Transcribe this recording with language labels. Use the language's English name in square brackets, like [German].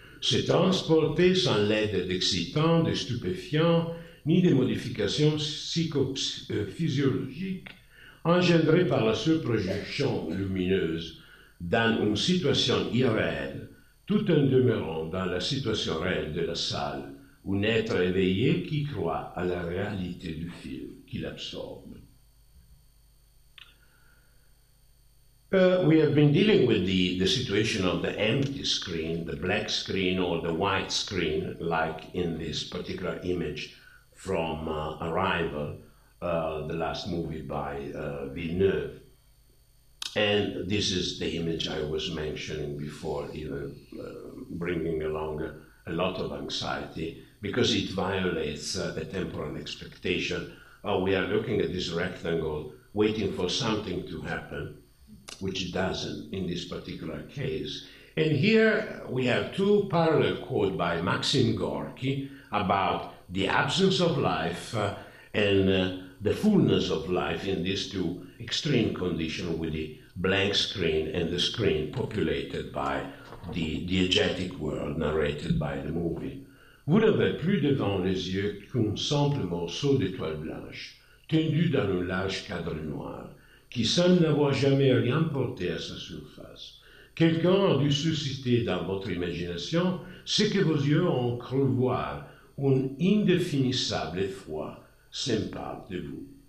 [French] Se transporter sans l'aide d'excitants, de stupéfiants, ni des modifications psychophysiologiques engendrées par la surprojection lumineuse dans une situation irréelle, tout en demeurant dans la situation réelle de la salle, un être éveillé qui croit à la réalité du film, qui l'absorbe. [English] We have been dealing with the situation of the empty screen, the black screen or the white screen, like in this particular image from Arrival, the last movie by Villeneuve. And this is the image I was mentioning before, even bringing along a lot of anxiety, because it violates the temporal expectation. We are looking at this rectangle, waiting for something to happen, which doesn't in this particular case. And here we have two parallel quotes by Maxim Gorky about the absence of life and the fullness of life in these two extreme conditions with the blank screen and the screen populated by the diegetic world narrated by the movie. [French] Vous n'avez plus devant les yeux qu'un simple morceau d'étoile blanche, tendu dans un large cadre noir, qui semble n'avoir jamais rien porté à sa surface. Quelqu'un a dû susciter dans votre imagination ce que vos yeux ont cru voir, un indéfinissable effroi s'empare de vous.